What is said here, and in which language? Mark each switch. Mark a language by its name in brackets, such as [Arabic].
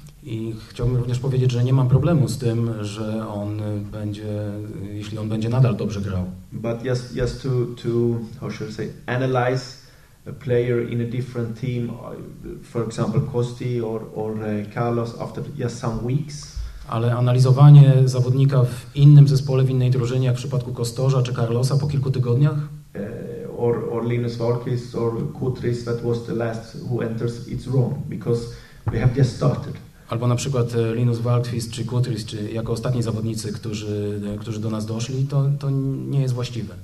[Polish] I chciałbym również powiedzieć, że nie mam problemu z tym, że on będzie, jeśli on będzie nadal dobrze grał. [English] But just to how should I say, analyze a player in a different team, for example Kosti or Carlos after just some weeks. [Polish] Ale analizowanie zawodnika w innym zespole, w innej drużynie, jak w przypadku Kostorza czy Carlosa po kilku tygodniach? [English] Or Linus Valkis or Kutris, that was the last who enters, it's wrong, because we have just started. [Polish] Albo na przykład Linus Valkis czy Kutris, czy jako ostatni zawodnicy, którzy do nas doszli, to nie jest właściwe.